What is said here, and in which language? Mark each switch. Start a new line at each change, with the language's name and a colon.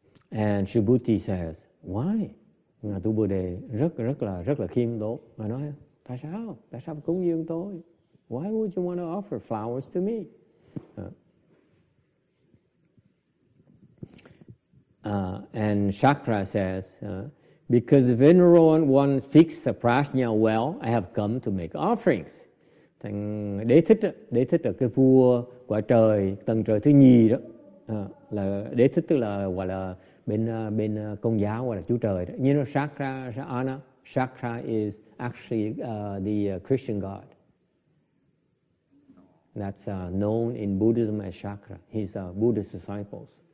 English: And Subhuti says, why?
Vietnamese: Ngài Tu Bồ Đề rất là khiêm tốn. Ngài nói, tại sao cúng dường tôi?
English: Why would you want to offer flowers to me? And Chakra says, because the venerable one speaks the prajna well, I have come to make offerings.
Vietnamese: Thành đế thích là cái vua quả trời tầng trời thứ nhì đó, là đế thích tức là gọi là bên công giáo gọi là chúa trời đó.
English: You know, Chakra is actually the Christian god. That's known in Buddhism as Chakra. He's a Buddhist disciple.